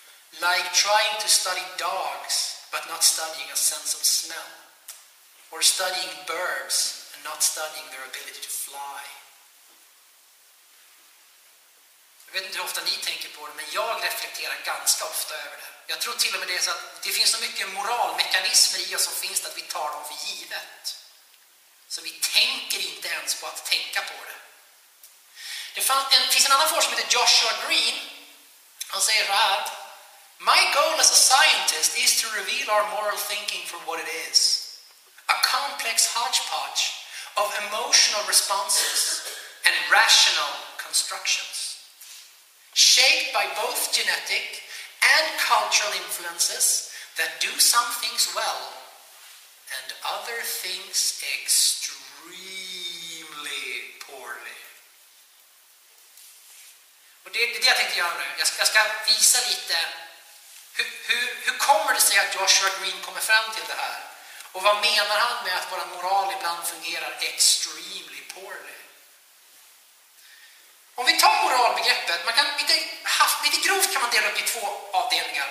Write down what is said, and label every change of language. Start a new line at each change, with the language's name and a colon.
English: Like trying to study dogs, but not studying a sense of smell. Or studying birds, and not studying their ability to fly."
Swedish: Jag vet inte hur ofta ni tänker på det, men jag reflekterar ganska ofta över det. Jag tror till och med det är så att det finns så mycket moralmekanismer i oss som finns att vi tar dem för givet. Så vi tänker inte ens på att tänka på det. Det finns en annan forskare som heter Joshua Green. Han säger så här:
English: "My goal as a scientist is to reveal our moral thinking for what it is. A complex hodgepodge of emotional responses and rational constructions. Shaped by both genetic and cultural influences that do some things well and other things extremely poorly."
Swedish: Och det är det jag tänkte göra nu. Jag ska visa lite hur kommer det sig att Joshua Green kommer fram till det här? Och vad menar han med att vår moral ibland fungerar
English: extremely poorly?
Swedish: Om vi tar moralbegreppet, lite grovt kan man dela upp i två avdelningar.